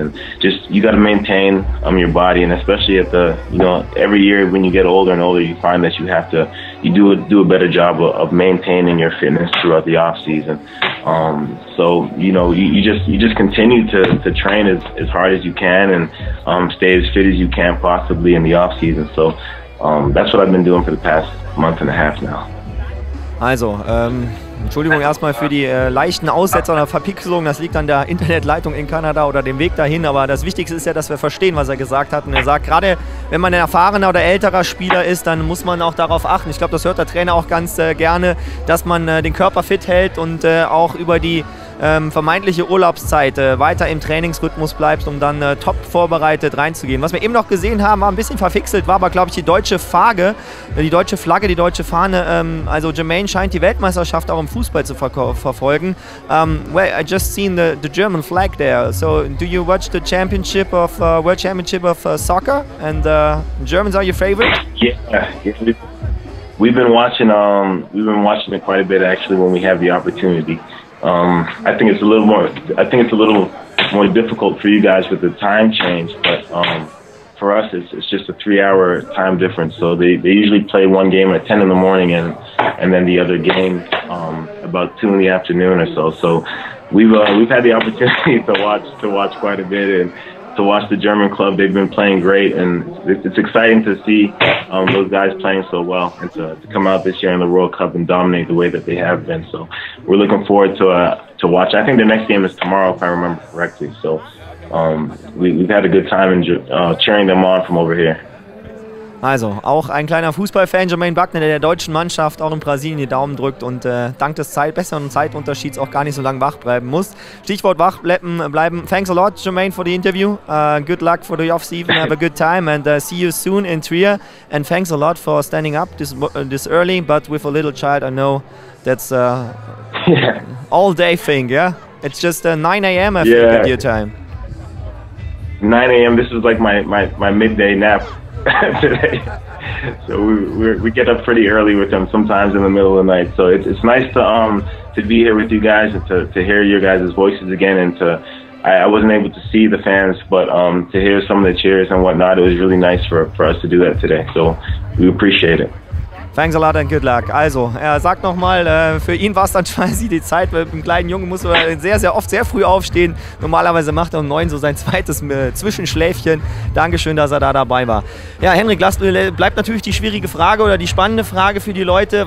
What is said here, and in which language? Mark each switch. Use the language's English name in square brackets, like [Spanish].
[English] And just, you got to maintain your body, and especially at the, you know, every year when you get older and older, you find that you have to, you do a better job of maintaining your fitness throughout the off season. So, you know, you just continue to train as hard as you can and stay as fit as you can possibly in the off season. So that's what I've been doing for the past month and a half now. [German] Also, Entschuldigung erstmal für die leichten Aussetzer oder Verpixelungen. Das liegt an der Internetleitung in Kanada oder dem Weg dahin. Aber das Wichtigste ist ja, dass wir verstehen, was er gesagt hat. Und er sagt, gerade wenn man ein erfahrener oder älterer Spieler ist, dann muss man auch darauf achten. Ich glaube, das hört der Trainer auch ganz gerne, dass man den Körper fit hält und auch über die vermeintliche Urlaubszeit weiter im Trainingsrhythmus bleibst, um dann top vorbereitet reinzugehen. Was wir eben noch gesehen haben, war ein bisschen verfixelt, war aber, glaube ich, die deutsche Flagge, die deutsche Fahne. Also Jermaine scheint die Weltmeisterschaft auch im Fußball zu verfolgen. [English] Well, I just seen the German flag there. So do you watch the championship of World Championship of Soccer? And Germans are your favorite? Yeah. We've been watching it quite a bit actually when we have the opportunity. I think it's a little more difficult for you guys with the time change, but for us it's just a 3-hour time difference. So they usually play one game at 10 in the morning and then the other game about 2 in the afternoon or so. So we've had the opportunity to watch quite a bit and to watch the German club. They've been playing great, and it's exciting to see those guys playing so well and to come out this year in the World Cup and dominate the way that they have been. So we're looking forward to watch. I think the next game is tomorrow, if I remember correctly. So we've had a good time in cheering them on from over here. [German] Also, auch ein kleiner Fußballfan, Jermaine Buckner, der der deutschen Mannschaft auch in Brasilien die Daumen drückt und dank des besseren Zeitunterschieds auch gar nicht so lange wach bleiben muss. Stichwort wach bleiben. [English] Thanks a lot, Jermaine, for the interview. Good luck for the off-season. Have a good time and see you soon in Trier. And thanks a lot for standing up this early, but with a little child, I know that's an all-day thing, yeah? It's just 9 a.m. at your time. 9 a.m., this is like my midday nap. Today. So we get up pretty early with them sometimes in the middle of the night. So it's nice to be here with you guys and to hear your guys' voices again. And I wasn't able to see the fans, but to hear some of the cheers and whatnot, it was really nice for us to do that today. So we appreciate it. Thanks a lot and good luck. [German] Also, er sagt nochmal, für ihn war es dann quasi die Zeit, weil mit einem kleinen Jungen muss er sehr, sehr oft sehr früh aufstehen. Normalerweise macht er um 9 so sein zweites Zwischenschläfchen. Dankeschön, dass er da dabei war. Ja, Henrik, bleibt natürlich die schwierige Frage oder die spannende Frage für die Leute.